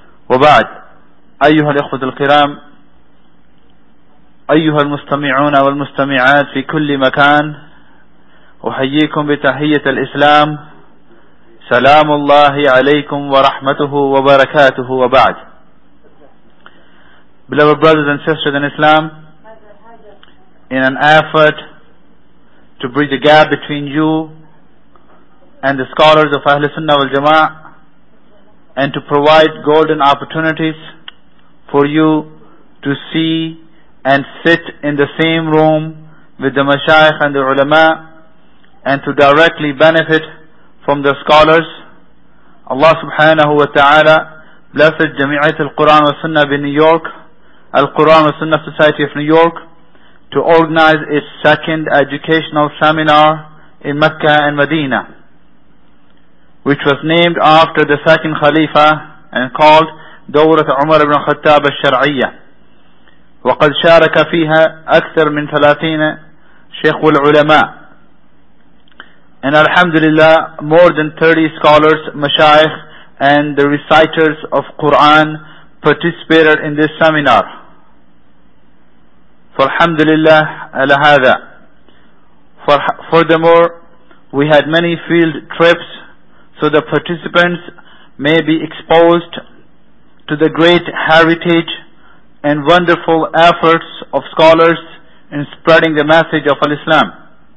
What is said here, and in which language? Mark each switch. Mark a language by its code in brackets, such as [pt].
[ar] وبعد، أيها الإخوة الكرام، أيها المستمعون والمستمعات في كل مكان، أحييكم بتحية الإسلام، سلام الله عليكم ورحمته وبركاته. وبعد، [en] beloved brothers and sisters in Islam, in an effort to bridge a gap between you and the scholars of Ahl Sunnah wal Jama'ah and to provide golden opportunities for you to see and sit in the same room with the mashayikh and the ulama and to directly benefit from the scholars, Allah subhanahu wa ta'ala blessed Jami'at al-Quran wa Sunnah in New York, al-Quran wa Sunnah Society of New York, to organize its second educational seminar in Mecca and Medina, which was named after the second Khalifa and called Dawrat Umar ibn Khattab al-Shar'iyya. [ar] وقد شارك فيها أكثر من 30 شيخ العلماء. [en] And alhamdulillah, more than 30 scholars, mashayikh, and the reciters of Quran participated in this seminar. [ar] فالحمدلله على هذا. [en] Furthermore, we had many field trips, so the participants may be exposed to the great heritage and wonderful efforts of scholars in spreading the message of Al-Islam.